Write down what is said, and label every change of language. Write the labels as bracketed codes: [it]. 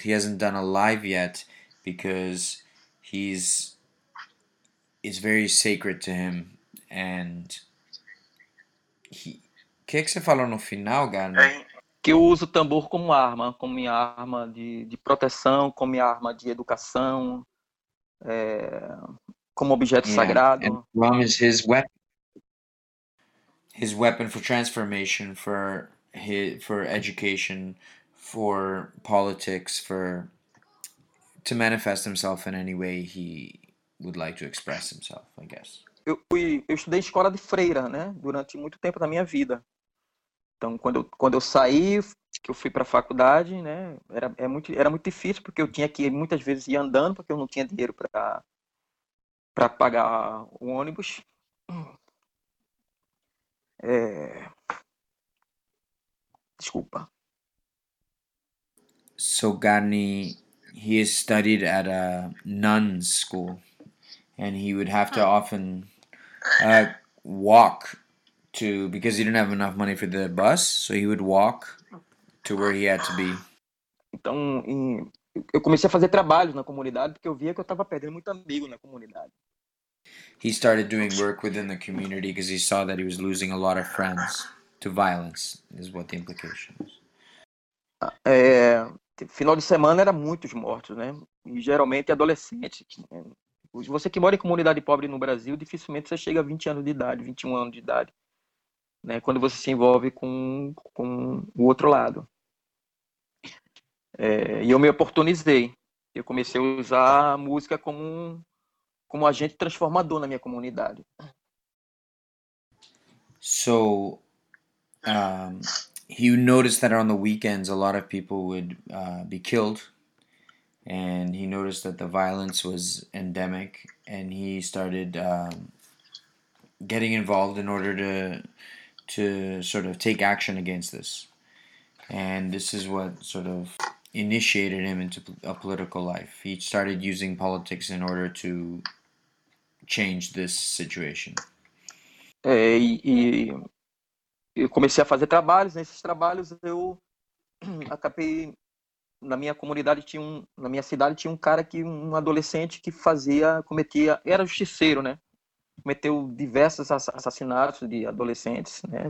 [en] He hasn't done a live yet because it's very sacred to him. And he... [pt] O que você falou no final, Garnizé? Que eu uso o tambor como minha arma de proteção, como minha arma de educação, como objeto sagrado. [en] And drum is his weapon. His weapon for transformation, for education, for politics, to manifest himself in any way he would like to express himself, I guess. [pt] Eu estudei em escola de freira, né, durante muito tempo da minha vida. Então, quando eu saí, que eu fui para a faculdade, né, era muito difícil, porque eu tinha que muitas vezes ir andando, porque eu não tinha dinheiro para pagar o ônibus. Desculpa. [en] So, Garni, he has studied at a nun's school, and he would have to often walk to, because he didn't have enough money for the bus, so he would walk to where he had to be. [pt] Então, eu comecei a fazer trabalho na comunidade, porque eu via que eu estava perdendo muito amigo na comunidade. [en] He started doing work within the community because he saw that he was losing a lot of friends to violence, is what the implication is. [pt] Final de semana era muitos mortos, né? E geralmente adolescentes. Você que mora em comunidade pobre no Brasil, dificilmente você chega a 20 anos de idade, 21 anos de idade, né? Quando você se envolve com o outro lado. E eu me oportunizei. Eu comecei a usar a música como agente transformador na minha comunidade. [en] So, he noticed that on the weekends a lot of people would be killed. And he noticed that the violence was endemic. And he started getting involved in order to sort of take action against this. And this is what sort of initiated him into a political life. He started using politics in order to change this situation. [pt] Eu comecei a fazer trabalhos, nesses trabalhos eu acabei. Na minha comunidade tinha um, na minha cidade tinha um cara que um adolescente que fazia, cometia, era justiceiro, né? Cometeu diversos assassinatos de adolescentes, né?